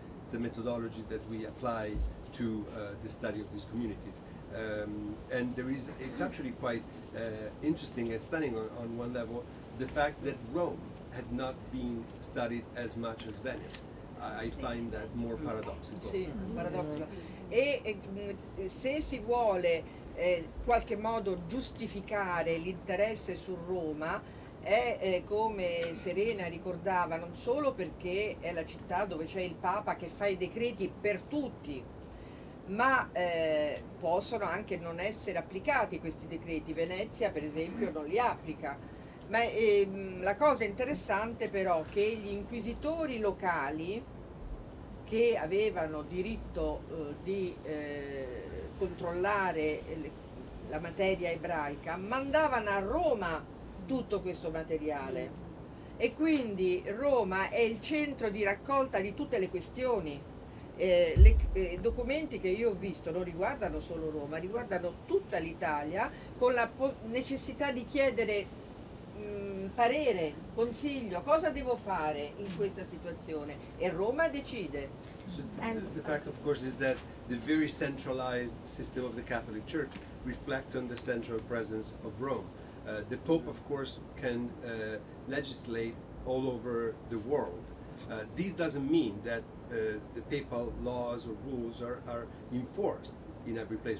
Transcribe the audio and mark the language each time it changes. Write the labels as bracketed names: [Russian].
[English] It's a methodology that we apply to the study of these communities. And there is, it's actually quite interesting and stunning on one level, the fact that Rome had not been studied as much as Venice. I find that more paradoxical. [Italian] Sì, paradoxical. E se si vuole qualche modo giustificare l'interesse su Roma, è come Serena ricordava, non solo perché è la città dove c'è il Papa che fa i decreti per tutti, ma possono anche non essere applicati questi decreti. Venezia per esempio non li applica. Ma la cosa interessante però è che gli inquisitori locali che avevano diritto di controllare la materia ebraica mandavano a Roma tutto questo materiale e quindi Roma è il centro di raccolta di tutte le questioni. I documenti che io ho visto non riguardano solo Roma, riguardano tutta l'Italia con la necessità di chiedere parere, consiglio, cosa devo fare in questa situazione e Roma decide. [English] So the fact of course is that the very centralized system of the Catholic Church reflects on the central presence of Rome. The Pope, of course, can legislate all over the world. This doesn't mean that the papal laws or rules are enforced in every place.